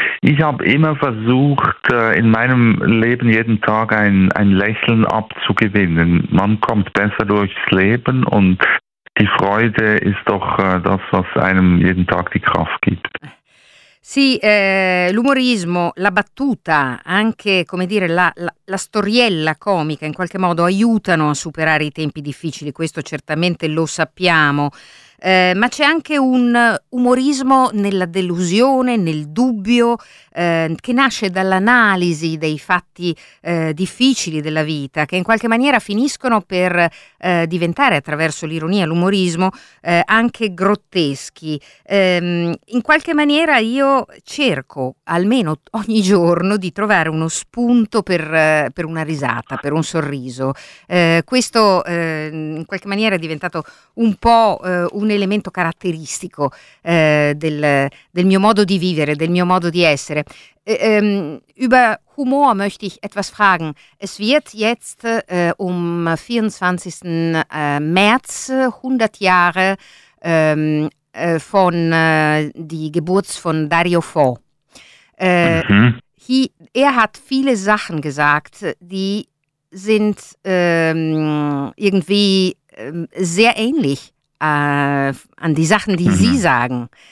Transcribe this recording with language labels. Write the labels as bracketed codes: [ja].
[de] Ich habe immer versucht, in meinem Leben jeden Tag ein Lächeln abzugewinnen. Man kommt besser durchs Leben und die Freude ist doch das, was einem jeden Tag die Kraft gibt. [it] Sì, l'umorismo, la battuta, anche come dire la storiella comica in qualche modo aiutano a superare i tempi difficili, questo certamente lo sappiamo, ma c'è anche un umorismo nella delusione, nel dubbio, che nasce dall'analisi dei fatti difficili della vita, che in qualche maniera finiscono per diventare, attraverso l'ironia, l'umorismo, anche grotteschi. In qualche maniera io cerco, almeno ogni giorno, di trovare uno spunto per una risata, per un sorriso. Questo in qualche maniera è diventato un po' un elemento caratteristico del mio modo di vivere, del mio modo di essere. [de] Über Humor möchte ich etwas fragen. Es wird jetzt um 24. März 100 Jahre von die Geburt von Dario Fo. Er hat viele Sachen gesagt, die sind irgendwie sehr ähnlich an die Sachen, die Sie sagen.